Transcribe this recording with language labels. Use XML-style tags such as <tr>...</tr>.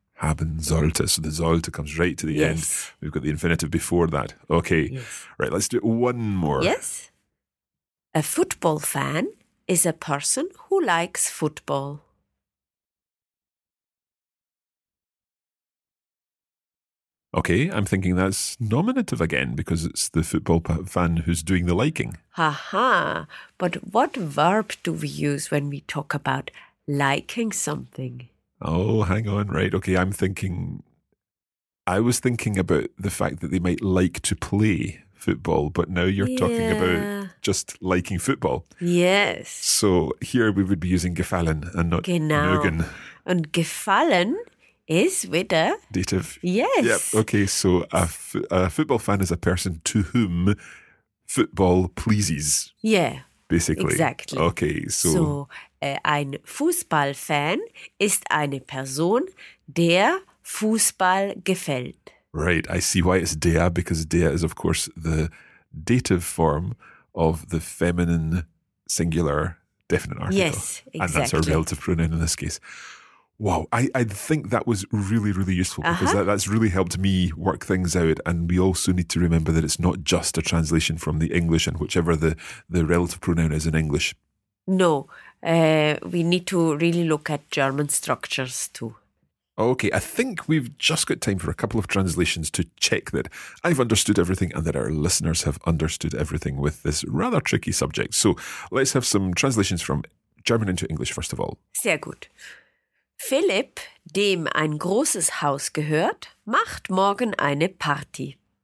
<de>Haben sollte.</de> <en>So the sollte comes right to the end. We've got the infinitive before that. Okay. Yes. Right, let's do one more. Yes. A football fan is a person who likes football. Okay, I'm thinking that's nominative again because it's the football fan who's doing the liking. Aha, but what verb do we use when we talk about liking something? Oh, hang on, right. Okay, I was thinking about the fact that they might like to play football, but now you're talking about just liking football. Yes. So here we would be using gefallen and not mögen. And gefallen is with a dative. Yes. Yep. Okay, so a football fan is a person to whom football pleases. Yeah. Basically. Exactly. Okay, so.</en> <de>Ein Fußballfan ist eine Person, der Fußball gefällt.</de> <en>Right, I see why it's der, because der is, of course, the dative form of the feminine singular definite article. Yes, exactly. And that's our relative pronoun in this case. Wow, I think that was really, really useful because that's really helped me work things out. And we also need to remember that it's not just a translation from the English and whichever the relative pronoun is in English. No, we need to really look at German structures too. Okay, I think we've just got time for a couple of translations to check that I've understood everything and that our listeners have understood everything with this rather tricky subject. So let's have some translations from German into English, first of all.</en> <de>Sehr gut. Philipp, dem ein großes Haus gehört, macht morgen eine Party.</de>